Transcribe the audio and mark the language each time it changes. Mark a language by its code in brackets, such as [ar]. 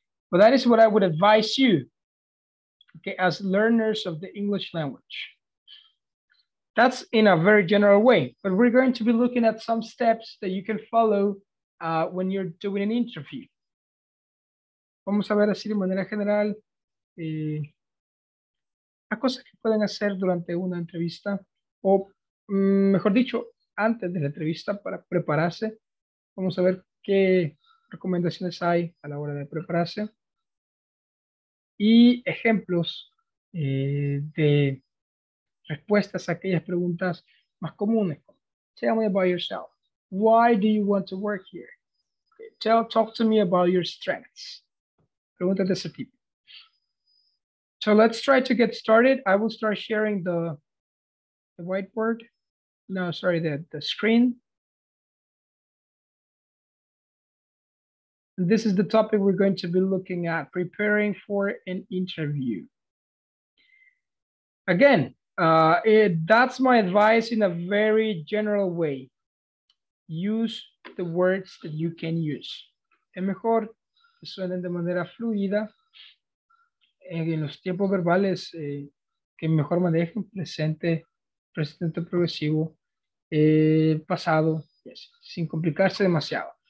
[en] But that is what I would advise you. Okay, as learners of the English language. That's in a very general way, but we're going to be looking at some steps that you can follow when you're doing an interview. [es] Vamos a ver así de manera general las cosas que pueden hacer durante una entrevista, o mejor dicho, antes de la entrevista para prepararse. Vamos a ver qué recomendaciones hay a la hora de prepararse. Y ejemplos de respuestas a aquellas preguntas más comunes. [en] Tell me about yourself. Why do you want to work here? Okay. Talk to me about your strengths. [es] Preguntas de ese tipo. [en] So let's try to get started. I will start sharing the whiteboard. No, sorry, the screen. This is the topic we're going to be looking at, preparing for an interview. Again, that's my advice in a very general way. Use the words that you can use. [es] Es mejor que suenen de manera fluida en los tiempos verbales que mejor manejen presente, presente progresivo, pasado, yes, sin complicarse demasiado.